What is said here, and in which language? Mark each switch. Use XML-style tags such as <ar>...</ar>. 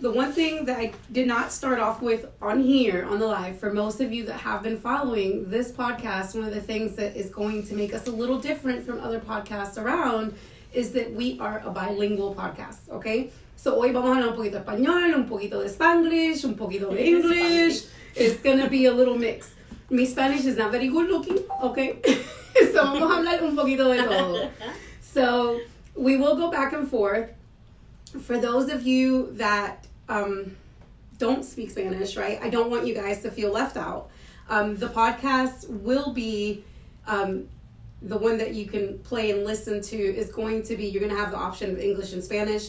<en>The one thing that I did not start off with on here, on the live, for most of you that have been following this podcast, one of the things that is going to make us a little different from other podcasts around is that we are a bilingual podcast, okay?</en> <es>So hoy vamos a hablar un poquito de español, un poquito de Spanglish, un poquito de English.</es> <en>It's going to be a little mix. Mi Spanish is not very good looking, okay?</en> <es>So vamos a hablar un poquito de todo.</es> <en>So we will go back and forth. For those of you that don't speak Spanish, right? I don't want you guys to feel left out. The podcast will be... the one that you can play and listen to is going to be, you're going to have the option of English and Spanish.</en>